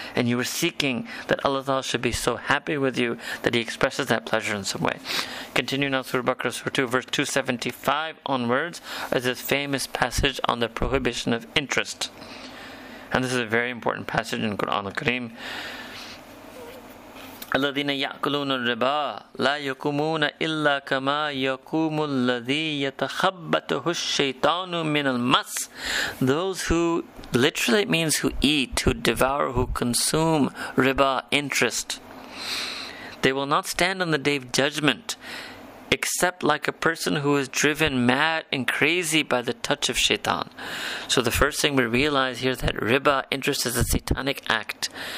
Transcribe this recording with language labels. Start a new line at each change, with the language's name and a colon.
English: And you are seeking that Allah ta'ala should be so happy with you that He expresses that pleasure in some way. Continue now, Surah Baqarah, Surah 2, verse 275 onwards, is this famous passage on the prohibition of interest. And this is a very important passage in Quran al-Kareem.
Arabic: الذين يأكلون الربا لا يقومون إلا كما يقوم الذي يتخبطه الشيطان من المس.
English: Those who, literally it means who eat, who devour, who consume riba, interest, they will not stand on the day of judgment except like a person who is driven mad and crazy by the touch of shaitan. So the first thing we realize here is that riba, interest, is a satanic act.